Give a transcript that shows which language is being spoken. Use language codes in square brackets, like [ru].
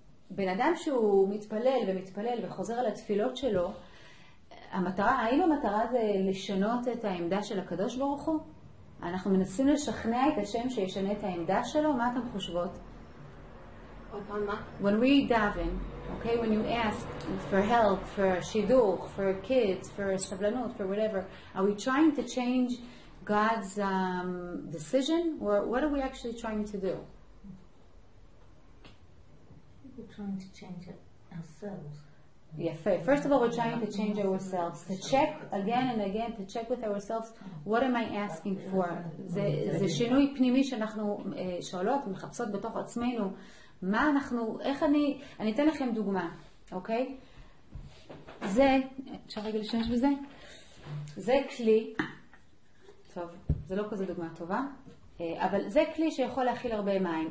[he] בן אדם שהוא מתפלל ומתפלל וחוזר על התפילות שלו, המטרה, האם המטרה זה לשנות את העמדה של הקדוש ברוך הוא? אנחנו מנסים לשכנע את השם שישנה את העמדה שלו, מה אתם חושבות? [en] When we daven, okay, when you ask for help, for shidduch, for kids, for sablanut, for whatever, are we trying to change God's decision, or what are we actually trying to do? We're trying to change ourselves. Yeah, first of all, we're trying to change ourselves, to check again and again, to check with ourselves, what am I asking for? [he] זה שינוי פנימי שאנחנו שואלות ומחפשות בתוך עצמנו, מה אנחנו, איך אני, אני אתן לכם דוגמה, אוקיי? זה, אפשר רגע לשנש בזה? זה כלי, טוב, זה לא כזה דוגמה טובה, אבל זה כלי שיכול להכיל הרבה מים.